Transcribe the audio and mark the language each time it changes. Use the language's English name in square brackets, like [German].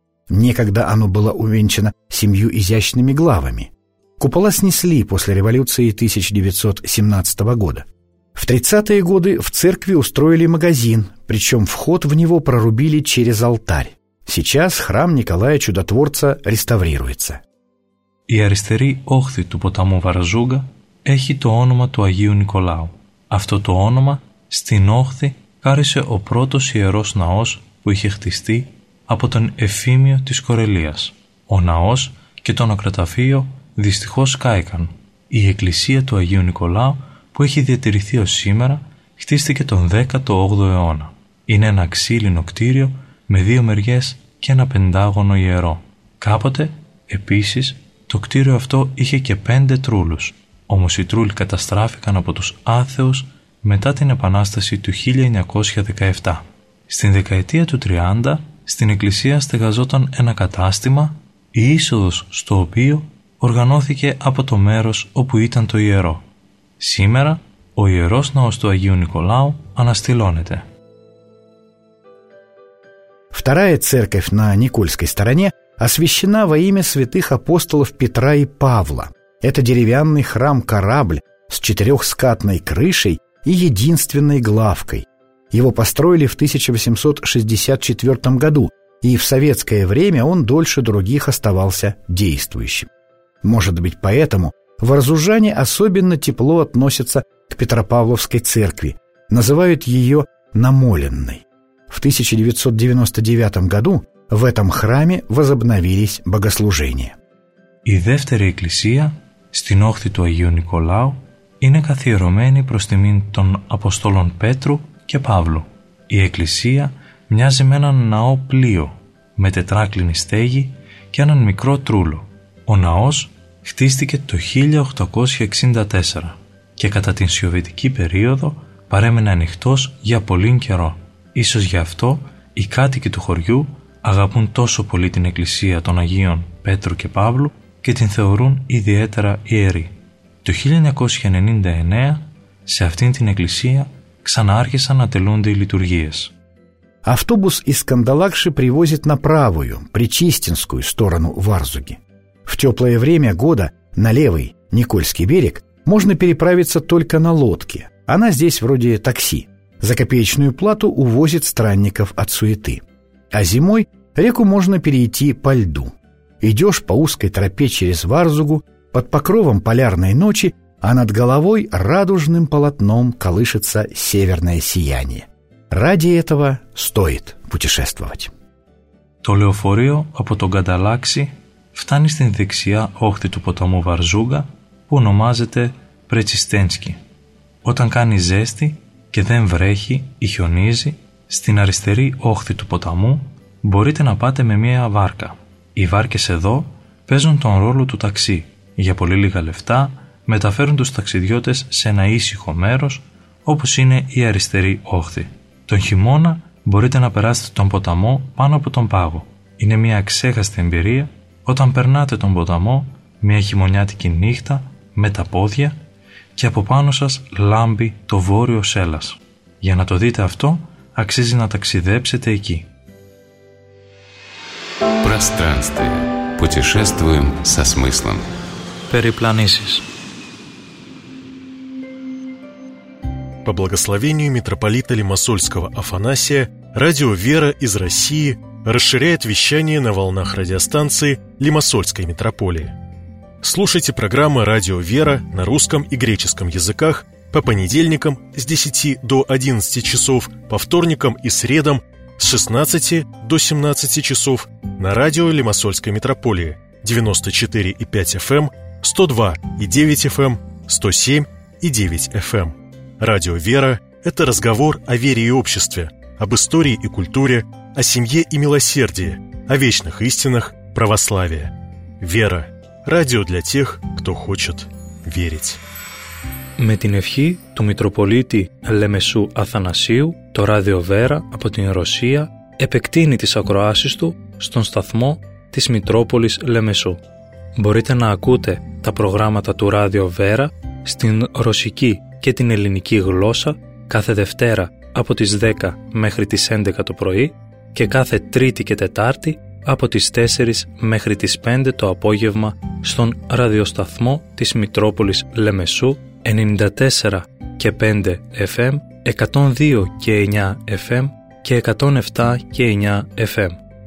[Russian] Некогда оно было увенчано 7 изящными главами. Купола снесли после революции 1917 года. В 30-е годы в церкви устроили магазин, причем вход в него прорубили через алтарь. Сейчас храм Николая Чудотворца реставрируется. [Greek] Η αριστερή όχθη του ποταμού Βαρζούγκα έχει το όνομα του Αγίου Νικολάου. Αυτό το όνομα στην όχθη χάρισε ο πρώτος ιερός ναός που είχε χτιστεί από τον Εφήμιο της Κορελίας. Ο ναός και το νοκροταφείο δυστυχώς κάηκαν. Η εκκλησία του Αγίου Νικολάου, που έχει διατηρηθεί ως σήμερα, χτίστηκε τον 18ο αιώνα. Είναι ένα ξύλινο κτίριο με 2 μεριές και ένα πεντάγωνο ιερό. Κάποτε, επίσης, το κτίριο αυτό είχε και 5 τρούλους. Όμως οι τρούλοι καταστράφηκαν από τους άθεους μετά την Επανάσταση του 1917. Στην δεκαετία του 30, στην εκκλησία στεγαζόταν ένα κατάστημα, η είσοδος στο οποίο οργανώθηκε από το μέρος όπου ήταν το ιερό. Σήμερα, ο ιερός ναός του Αγίου Νικολάου αναστηλώνεται. [Russian] Вторая церковь на Никольской стороне освящена во имя святых апостолов Петра и Павла. Это деревянный храм-корабль с четырехскатной крышей и единственной главкой. Его построили в 1864 году, и в советское время он дольше других оставался действующим. Может быть, поэтому в Разужане особенно тепло относятся к Петропавловской церкви, называют ее «намоленной». В 1999 году в этом храме возобновились богослужения. [Greek] Η δεύτερη εκκλησία στην όχθη του Αγίου Νικολάου είναι καθιερωμένη προς τιμήν των Αποστόλων Πέτρου και Παύλου. Η εκκλησία μοιάζει με έναν ναό πλοίο με τετράκλινη στέγη και έναν μικρό τρούλο. Ο ναός χτίστηκε το 1864 και κατά την Σοβιετική περίοδο παρέμεινε ανοιχτός για πολύ καιρό. Ίσως γι' αυτό οι κάτοικοι του χωριού αγαπούν τόσο πολύ την εκκλησία των Αγίων Πέτρου και Παύλου και την θεωρούν ιδιαίτερα ιερή. Το 1999 σε αυτήν την εκκλησία ξανάρχισαν να τελούνται οι λειτουργίες. Αυτόμπους [Russian] из Кандалакши привозит на правую, причистинскую сторону Варзуги. В теплое время года на левый, Никольский берег, можно переправиться только на лодке. Она здесь вроде такси. За копеечную плату увозит странников от суеты. А зимой реку можно перейти по льду. Идешь по узкой тропе через Варзугу, под покровом полярной ночи, а над головой радужным полотном колышется северное сияние. Ради этого стоит путешествовать. [Greek] То леофорио από τον Кандалакши φτάνει στην δεξιά όχθη του ποταμού Βαρζούγα που ονομάζεται Πρετσιστένσκι. Όταν κάνει ζέστη και δεν βρέχει ή χιονίζει, στην αριστερή όχθη του ποταμού μπορείτε να πάτε με μία βάρκα. Οι βάρκες εδώ παίζουν τον ρόλο του ταξί. Για πολύ λίγα λεφτά μεταφέρουν τους ταξιδιώτες σε ένα ήσυχο μέρος όπως είναι η αριστερή όχθη. Τον χειμώνα μπορείτε να περάσετε τον ποταμό πάνω από τον πάγο. Είναι μία ξέχαστη εμπειρία όταν περνάτε τον ποταμό μια χειμωνιάτικη νύχτα με τα πόδια και από πάνω σας λάμπει το βόρειο Σέλας. Για να το δείτε αυτό, αξίζει να ταξιδέψετε εκεί. [Russian] Пространствие. Путешествуем со смыслом. [Greek] Перепланисис. [Russian] По благословению митрополита Лимассольского Афанасия, радио «Вера» из России – расширяет вещание на волнах радиостанции Лимассольской митрополии. Слушайте программы «Радио Вера» на русском и греческом языках по понедельникам с 10 до 11 часов, по вторникам и средам с 16 до 17 часов на радио Лимассольской митрополии 94,5 FM, 102,9 FM, 107,9 FM. «Радио Вера» – это разговор о вере и обществе, об истории и культуре, о семье и милосердии, о вечных истинах православия. Вера. Радио для тех, кто хочет верить. [Greek] Με την ευχή του Μητροπολίτη Λεμεσού Αθανασίου, το Ράδιο Βέρα από την Ρωσία επεκτείνει τις ακροάσεις του στον σταθμό της Μητρόπολης Λεμεσού. Μπορείτε να ακούτε τα προγράμματα του Ράδιο Βέρα στην ρωσική και την ελληνική γλώσσα κάθε Δευτέρα από τις 10 μέχρι τις 11 το πρωί και κάθε Τρίτη και Τετάρτη από τις 4 μέχρι τις 5 το απόγευμα στον ραδιοσταθμό της Μητρόπολης Λεμεσού 94 και 5 FM, 102 και 9 FM και 107 και 9 FM.